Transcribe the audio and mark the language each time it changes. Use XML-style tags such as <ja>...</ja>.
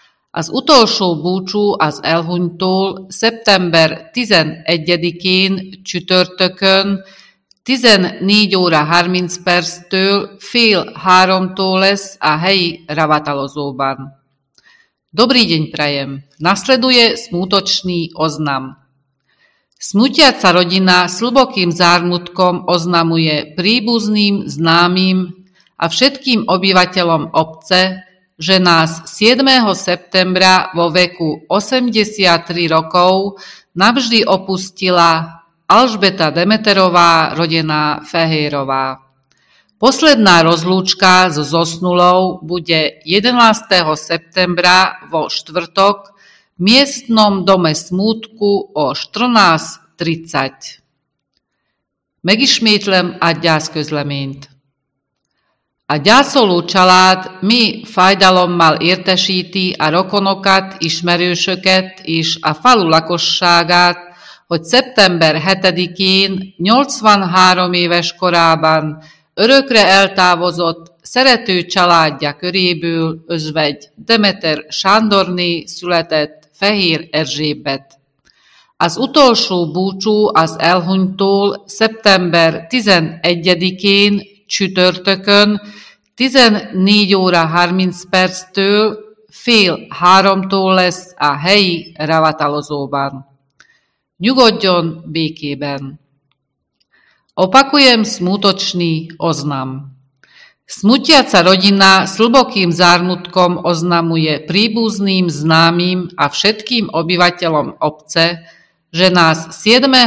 <hu>Az utolsó búcsú az elhunytól szeptember 11-én csütörtökön 14 óra 30 perctől 14:30-tól lesz a helyi ravatalozóban.</hu> <sk>Dobrý deň prajem. Nasleduje smutočný oznam. Smutiaca rodina s hlbokým zármutkom oznamuje príbuzným, známym a všetkým obyvateľom obce, že nás 7. septembra vo veku 83 rokov navždy opustila Alžbeta Demeterová, rodená Fehérová. Posledná rozlúčka so zosnulou bude 11. septembra vo štvrtok v miestnom dome smútku o 14:30.</sk> <hu>Megismétlem a gyászközleményt. A gyászoló család mi fájdalommal értesíti a rokonokat, ismerősöket és a falu lakosságát, hogy szeptember 7-én, 83 éves korában örökre eltávozott szerető családja köréből özvegy Demeter Sándorné született Fehér Erzsébet. Az utolsó búcsú az elhunytól szeptember 11-én csütörtökön 14 óra 30 perctől 14:30-tól lesz a helyi ravatalozóban. Nyugodjon békében.</hu> <sk>Opakujem smutočný oznam. Smutiaca rodina s hlbokým zármutkom oznamuje príbuzným, známym a všetkým obyvateľom obce, že nás 7.</sk>